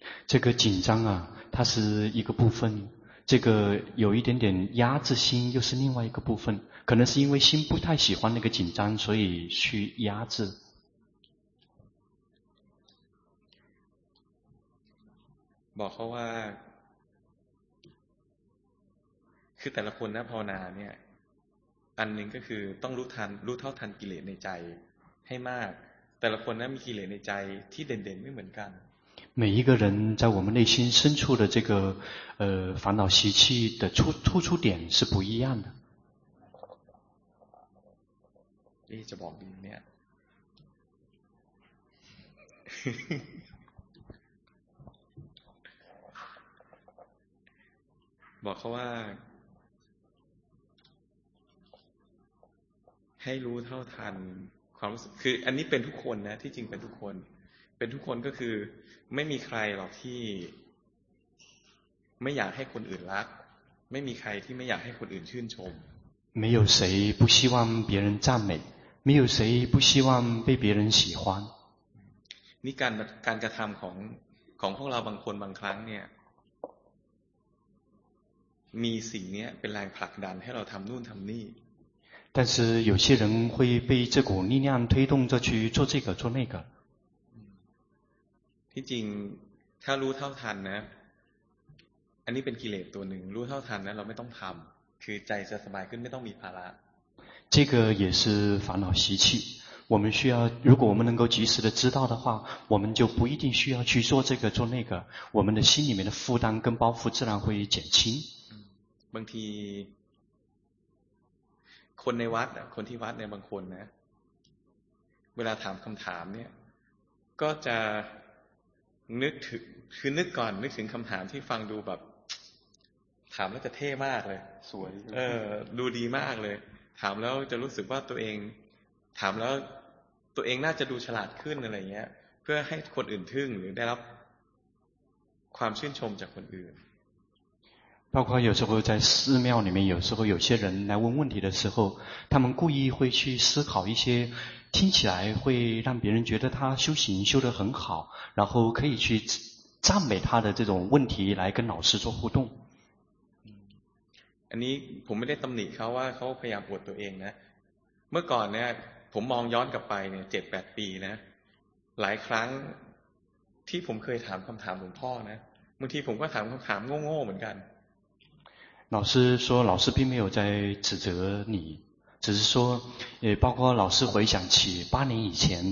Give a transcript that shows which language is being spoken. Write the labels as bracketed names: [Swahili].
[Chinese] 这个紧张啊它是一个部分这个有一点点压制心又是另外一个部分可能是因为心不太喜欢那个紧张所以去压制 [Thai] บอกเขาว่าคือแต่ละคนนะภาวนาเนี่ยอันหนึ่งก็คือต้องรู้เท่าทันกิเลสในใจให้มากแต่ละคนนะมีกิเลสในใจที่เด่นๆไม่เหมือนกัน [Chinese] 每一个人在我们内心深处的这个烦恼习气的突出点是不一样的 [Thai] นี่จะบอกดีเนี่ย บอกเขาว่า ให้รู้เท่าทันความรู้สึกคืออันนี้เป็นทุกคนนะที่จริงเป็นทุกคนเป็นทุกคนก็คือไม่มีใครหรอกที่ไม่อยากให้คนอื่นรักไม่มีใครที่ไม่อยากให้คนอื่นชื่นชม [Chinese] 没有谁不希望别人赞美没有谁不希望被别人喜欢 [Thai] นี่การกระทำของพวกเราบางคนบางครั้งเนี่ยมีสิ่งนี้เป็นแรงผลักดันให้เราทำนู่นทำนี่ [Chinese] 但是有些人会被这股力量推动着去做这个做那个。 [Thai] ที่จริงถ้ารู้เท่าทันนะอันนี้เป็นกิเลสตัวหนึ่งรู้เท่าทันนะเราไม่ต้องทำคือใจจะสบายขึ้นไม่ต้องมีภาระ [Chinese] 这个也是烦恼习气我们需要如果我们能够及时的知道的话我们就不一定需要去做这个做那个我们的心里面的负担跟包袱自然会减轻 [Thai] บางทีคนในวัดคนที่วัดในบางคนนะเวลาถามคำถามเนี่ยก็จะนึกถึงคือนึกก่อนนึกถึงคำถามที่ฟังดูแบบถามแล้วจะเท่มากเลย สวย เออดูดีมากเลยถามแล้วจะรู้สึกว่าตัวเองถามแล้วตัวเองน่าจะดูฉลาดขึ้นอะไรเงี้ยเพื่อให้คนอื่นทึ่งหรือได้รับความชื่นชมจากคนอื่น [Chinese] 包括有时候在寺庙里面，有时候有些人来问问题的时候，他们故意会去思考一些听起来会让别人觉得他修行修得很好，然后可以去赞美他的这种问题来跟老师做互动。 [Thai] อันนี้ผมไม่ได้ตำหนิเขาว่าเขาพยายามปวดตัวเองนะเมื่อก่อนเนี่ยผมมองย้อนกลับไปเนี่ย7-8 ปีนะหลายครั้งที่ผมเคยถามคำถามหลวงพ่อนะบางทีผมก็ถามคำถามโง่ๆเหมือนกัน [Chinese] 老师说老师并没有在指责你只是说包括老师回想起8年以前